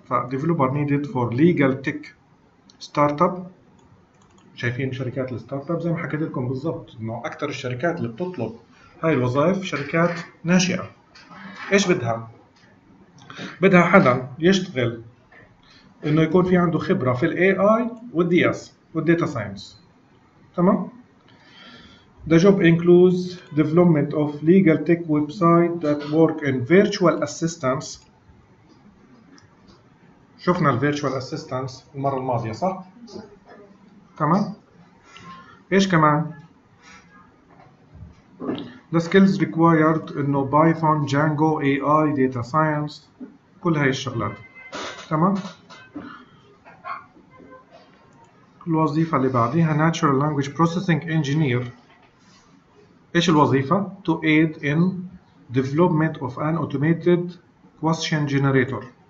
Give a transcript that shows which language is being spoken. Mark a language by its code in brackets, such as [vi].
[ar] فديفلوبر نيدد فور ليجل تك ستارت اب، شايفين شركات الستارت اب زي ما حكيت لكم بالضبط انه اكثر الشركات اللي بتطلب هاي الوظائف شركات ناشئة. ايش بدها؟ بدها حدا يشتغل انه يكون في عنده خبرة في الاي اي والدي اس والديتا ساينس. [en] تمام؟ The job includes development of legal tech website that work in virtual assistants. [ar] شفنا الـ virtual assistants المرة الماضية صح؟ كمان؟ إيش كمان؟ The skills required إنه Python, Django, AI, Data Science، كل هاي الشغلات. تمام؟ الوظيفة اللي بعديها Natural Language Processing Engineer. [en] إيش الوظيفة؟ To aid in development of an automated question generator.